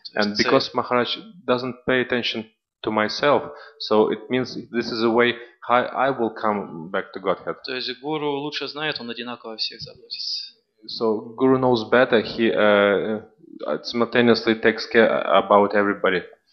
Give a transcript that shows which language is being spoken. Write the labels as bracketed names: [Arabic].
[Russian] То есть, [English] and because Maharaj doesn't pay attention to myself, so it means this is a way how I will come back to Godhead. [Russian] То есть гуру лучше знает, он одинаково всех заботится. [English] So guru knows better, he simultaneously takes care about everybody.